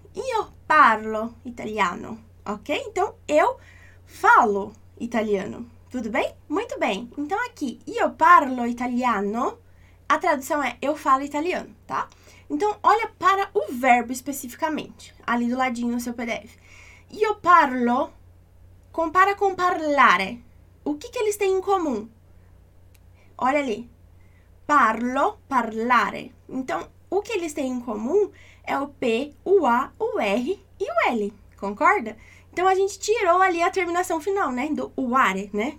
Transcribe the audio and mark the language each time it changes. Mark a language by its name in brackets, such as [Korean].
[Portuguese] Io parlo italiano. Ok? Então, eu falo italiano. Tudo bem? Muito bem. [Italian] Então, aqui, io parlo italiano. [Portuguese] A tradução é eu falo italiano, tá? Então, olha para o verbo especificamente, ali do ladinho no seu PDF. [Italian] Io parlo, compara com parlare. [Portuguese] O que que eles têm em comum? Olha ali. Parlo, parlare. Então, O que eles têm em comum é o P, o A, o R e o L, concorda? Então a gente tirou ali a terminação final, né? Do uare, né?